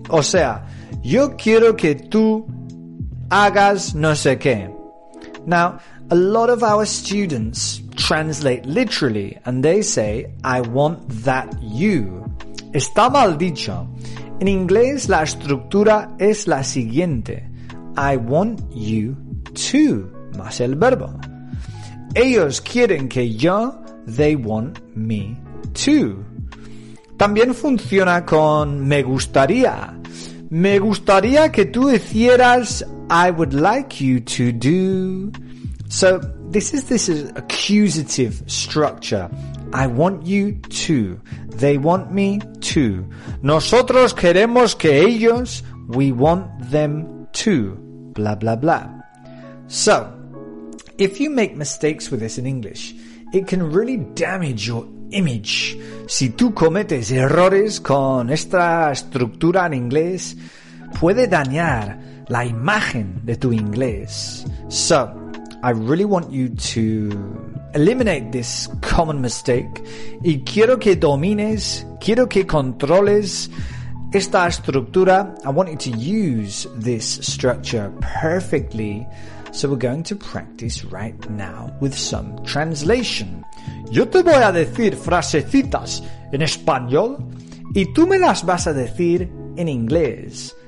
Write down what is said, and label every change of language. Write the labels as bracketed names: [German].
[Spanish] O sea, yo quiero que tú hagas no sé qué. [English] Now, a lot of our students translate literally, and they say, I want that you. [Spanish] Está mal dicho. En inglés, la estructura es la siguiente. [English] I want you to, [Spanish] más el verbo. Ellos quieren que yo, [English] they want me too. [Spanish] También funciona con me gustaría. Me gustaría que tú hicieras, [English] I would like you to do. So, this is accusative structure. I want you to. They want me to. [Spanish] Nosotros queremos que ellos, [English] we want them to. Blah, blah, blah. So, if you make mistakes with this in English, it can really damage your image. [Spanish] Si tú cometes errores con esta estructura en inglés, puede dañar la imagen de tu inglés. [English] So, I really want you to eliminate this common mistake. [Spanish] Y quiero que domines, quiero que controles esta estructura. [English] I want you to use this structure perfectly. So we're going to practice right now with some translation. [Spanish] Yo te voy a decir frasecitas en español y tú me las vas a decir en inglés.